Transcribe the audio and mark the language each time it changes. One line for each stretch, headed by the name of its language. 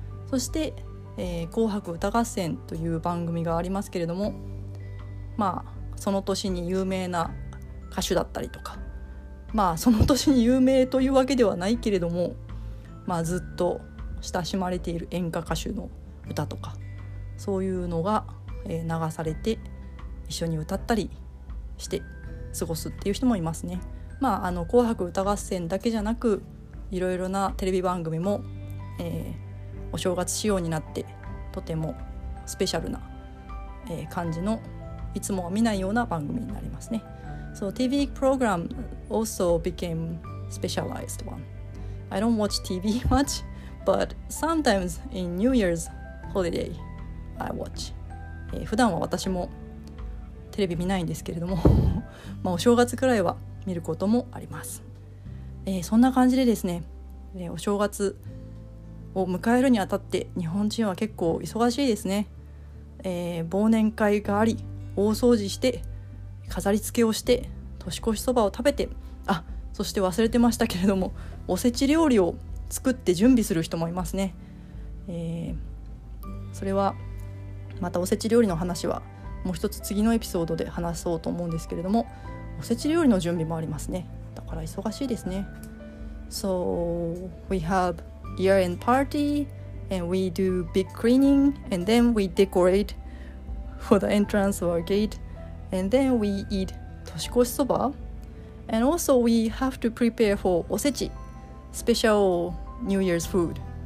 Japanese: そして紅白歌合戦という番組がありますけれども、まあその年に有名な歌手だったりとか、まあその年に有名というわけではないけれども、まあずっと親しまれている演歌歌手の歌とか、そういうのが流されて一緒に歌ったりして過ごすっていう人もいますね。まあ紅白歌合戦だけじゃなく、いろいろなテレビ番組も、お正月仕様になって、とてもスペシャルな、感じの、いつもは見ないような番組になりますね。
English: So TV program also became specialized one. I don't watch TV much, but sometimes in New Year's holiday, I watch.
Japanese: 普段は私もテレビ見ないんですけれども、まあお正月くらいは見ることもあります。そんな感じでですね、お正月を迎えるにあたって日本人は結構忙しいですね。忘年会があり、大掃除して、飾り付けをして、年越しそばを食べて、あ、そして忘れてましたけれども、おせち料理を作って準備する人もいますね。それはまたおせち料理の話はもう一つ次のエピソードで話そうと思うんですけれども、おせち料理の準備もありますね。だから忙しいですね。
English: So we haveYear-end party, and we do big cleaning, and then we decorate for the entrance or gate, and then we eat 年越しそば, and also we have to prepare for osechi, special New Year's food.